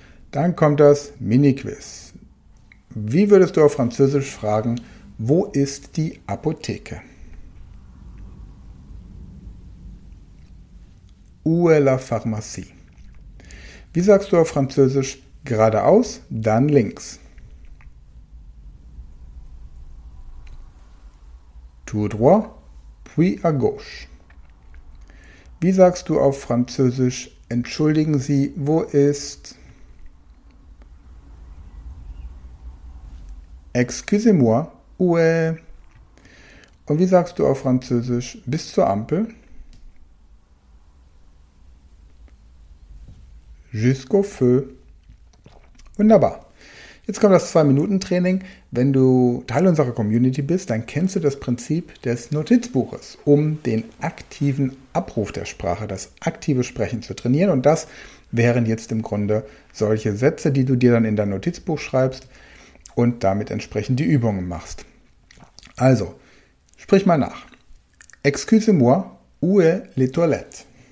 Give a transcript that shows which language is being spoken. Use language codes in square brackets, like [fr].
[de] Dann kommt das Mini-Quiz. Wie würdest du auf Französisch fragen, wo ist die Apotheke? [fr] Où est la pharmacie? [de] Wie sagst du auf Französisch, geradeaus, dann links? [fr] Tout droit, puis à gauche. [de] Wie sagst du auf Französisch, entschuldigen Sie, wo ist... [fr] Excusez-moi, où est... [de] Und wie sagst du auf Französisch, bis zur Ampel? [fr] Jusqu'au feu. [de] Wunderbar. Jetzt kommt das 2-Minuten-Training. Wenn du Teil unserer Community bist, dann kennst du das Prinzip des Notizbuches, um den aktiven Abruf der Sprache, das aktive Sprechen zu trainieren. Und das wären jetzt im Grunde solche Sätze, die du dir dann in dein Notizbuch schreibst und damit entsprechend die Übungen machst. Also, sprich mal nach. [fr] Excusez-moi, où est les toilettes?